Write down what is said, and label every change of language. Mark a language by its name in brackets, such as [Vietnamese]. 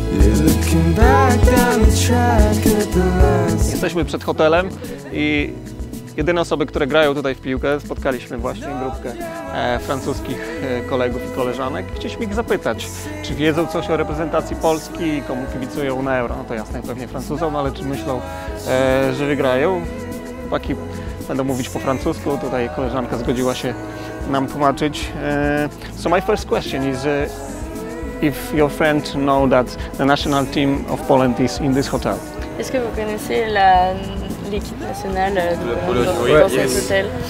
[English] You're looking back down the track at the last. [Polish] Jesteśmy przed hotelem i jedyne osoby, które grają tutaj w piłkę, spotkaliśmy właśnie grupkę francuskich kolegów i koleżanek. Chcieliśmy ich zapytać, czy wiedzą coś o reprezentacji Polski i komu kibicują na Euro. No to jasne, pewnie Francuzom, ale czy myślą, że wygrają? Chłopaki będą mówić po francusku, tutaj koleżanka zgodziła się nam tłumaczyć. [English] So my first question is, if your friend know that the national team of Poland is in this hotel. [French] Est-ce que vous connaissez la... L'équipe nationale de dans cet hôtel.